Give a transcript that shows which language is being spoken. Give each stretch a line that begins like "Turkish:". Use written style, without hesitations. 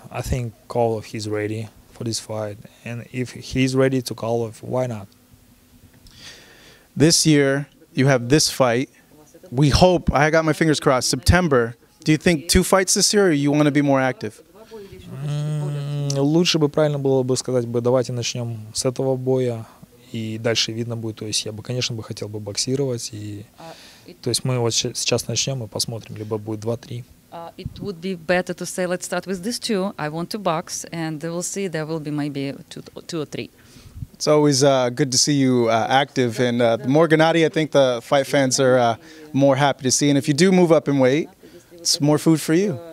English: I think Kovalev is ready for this fight, and if he's ready to Kovalev, why not? This year, you have this fight. We hope. I got my fingers crossed. September. Do you think two fights this year, or you want to be more active?
Russian: Лучше бы правильно было бы сказать бы давайте начнем с этого боя и дальше видно будет. То есть я бы, конечно, бы хотел бы боксировать и то есть мы вот сейчас начнем и посмотрим, либо будет 2-3.
English: It would be better to say let's start with these two. I want to box and we'll see. There will be maybe two or three. It's always good to see you active and more Gennady. I think the fight fans are more happy to see. And if you do move up in weight, it's more food for you.